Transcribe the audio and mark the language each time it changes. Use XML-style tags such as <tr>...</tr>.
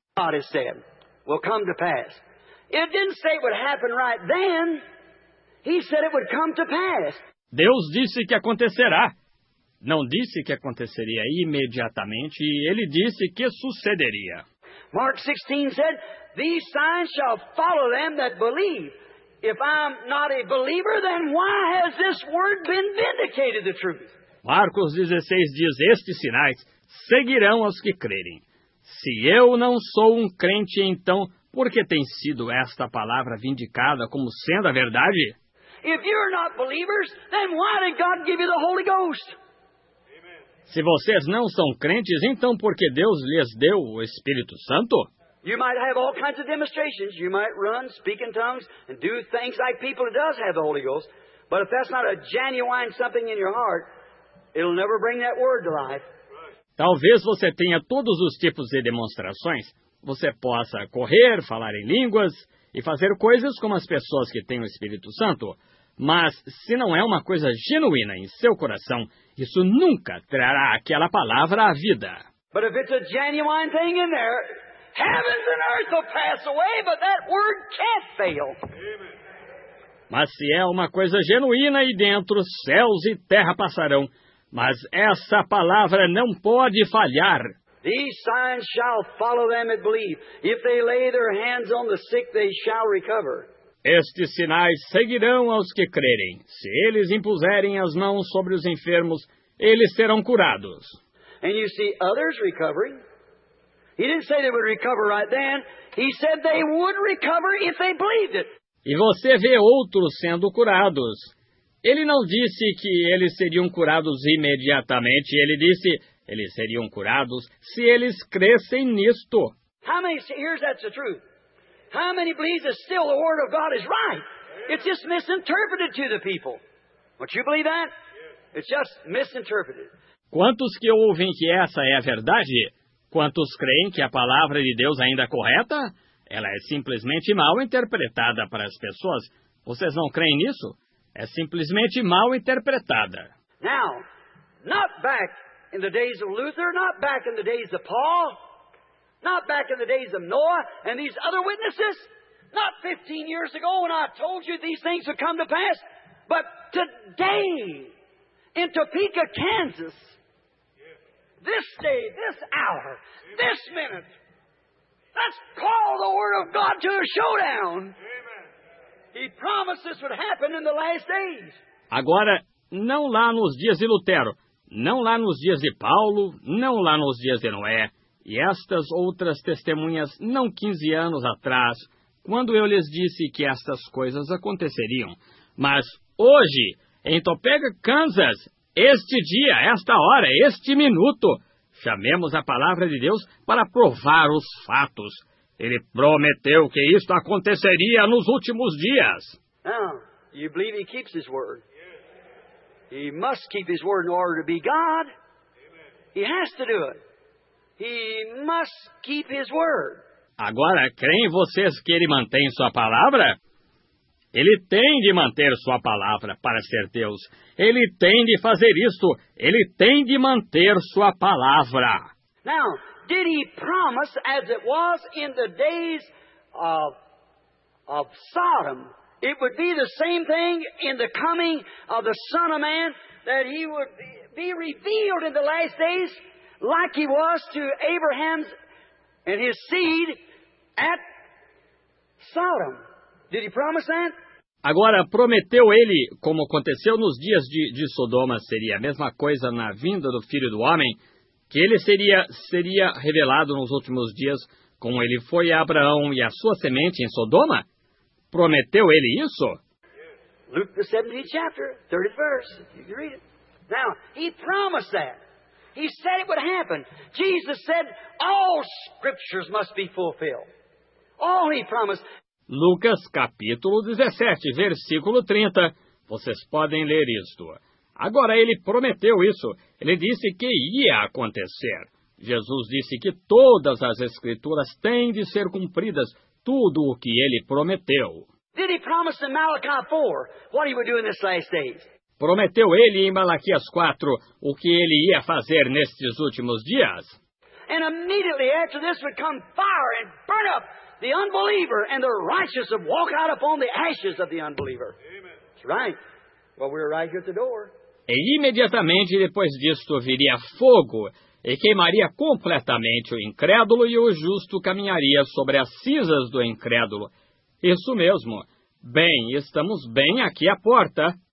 <en>God has said, will come to pass. It didn't say it would happen right then. He said it would come to pass.</en> <pt>Deus disse que acontecerá. Não disse que aconteceria imediatamente, ele disse que sucederia.</pt> <en>Mark 16 said, these signs shall follow them that believe. If I'm not a believer, then why has this word been vindicated, the truth?</en> <pt>Marcos 16 diz, estes sinais seguirão aos que crerem. Se eu não sou um crente, então, por que tem sido esta palavra vindicada como sendo a verdade?</pt> <en>If you're not believers, then why did God give you the Holy Ghost?</en> <pt>Se vocês não são crentes, então por que Deus lhes deu o Espírito Santo?</pt> <en>You might have all kinds of demonstrations. You might run, speak in tongues, and do things like people who does have the Holy Ghost. But if that's not a genuine something in your heart, it'll never bring that word to life.</en> <pt>Talvez você tenha todos os tipos de demonstrações. Você possa correr, falar em línguas e fazer coisas como as pessoas que têm o Espírito Santo. Mas se não é uma coisa genuína em seu coração, isso nunca trará aquela palavra à vida.</pt> <en>But if it's a genuine thing in there, heavens and earth will pass away, but that word can't fail. Amen.</en> <pt>Mas se é uma coisa genuína aí dentro, céus e terra passarão, mas essa palavra não pode falhar.</pt> <en>These signs shall follow them that believe. If they lay their hands on the sick, they shall recover.</en> <pt>Estes sinais seguirão aos que crerem. Se eles impuserem as mãos sobre os enfermos, eles serão curados.</pt> <en>And you see others recovering. He didn't say they would recover right then. He said they would recover if they believed it.</en> <pt>E você vê outros sendo curados. Ele não disse que eles seriam curados imediatamente. Ele disse eles seriam curados se eles crescem nisto.</pt> <en>How many hears that's the truth? How many believes that still the word of God is right? It's just misinterpreted to the people. Don't you believe that? It's just misinterpreted.</en> <pt>Quantos que ouvem que essa é a verdade? Quantos creem que a palavra de Deus ainda é correta? Ela é simplesmente mal interpretada para as pessoas. Vocês não creem nisso? É simplesmente mal interpretada.</pt> <en>Now, not back in the days of Luther, not back in the days of Paul, not back in the days of Noah and these other witnesses, not 15 years ago when I told you these things would come to pass, but today in Topeka, Kansas, this day, this hour, this minute, let's call the word of God to a showdown. Amen. He promised this would happen in the last days.</en> <pt>Agora, não lá nos dias de Lutero, não lá nos dias de Paulo, não lá nos dias de Noé, e estas outras testemunhas não 15 anos atrás, quando eu lhes disse que estas coisas aconteceriam, mas hoje, em Topeka, Kansas, este dia, esta hora, este minuto, chamemos a palavra de Deus para provar os fatos. Ele prometeu que isto aconteceria nos últimos dias.</pt> <en>Now, you believe he keeps his word? He must keep his word in order to be God. He has to do it. He must keep his word.</en> <pt>Agora, creem vocês que ele mantém sua palavra? Ele tem de manter sua palavra para ser Deus. Ele tem de fazer isto. Ele tem de manter sua palavra.</pt> <en>Now, did he promise as it was in the days of Sodom, it would be the same thing in the coming of the Son of Man, that he would be revealed in the last days like he was to Abraham and his seed at Sodom? Did he promise that?</en> <pt>Agora, prometeu ele, como aconteceu nos dias de Sodoma, seria a mesma coisa na vinda do Filho do Homem, que ele seria revelado nos últimos dias, como ele foi a Abraão e a sua semente em Sodoma? Prometeu ele isso?</pt> <en>Luke, the 17th chapter, 30th verse, if you read it. Now, he promised that. He said it would happen. Jesus said, all scriptures must be fulfilled. All he promised.</en> <pt>Lucas, capítulo 17, versículo 30. Vocês podem ler isto. Agora, ele prometeu isso. Ele disse que ia acontecer. Jesus disse que todas as escrituras têm de ser cumpridas, tudo o que ele prometeu.</pt> <en>Did he promise in Malachi 4 what he would do in this last days?</en> <pt>Prometeu ele em Malaquias 4 o que ele ia fazer nestes últimos dias?</pt> <en>And immediately after this would come fire and burn up the unbeliever and the righteous have walked out upon the ashes of the unbeliever. Amen. That's right. Well, we're right here at the door.</en> <pt>E imediatamente depois disto viria fogo e queimaria completamente o incrédulo e o justo caminharia sobre as cinzas do incrédulo. Isso mesmo. Bem, estamos bem aqui à porta.</pt>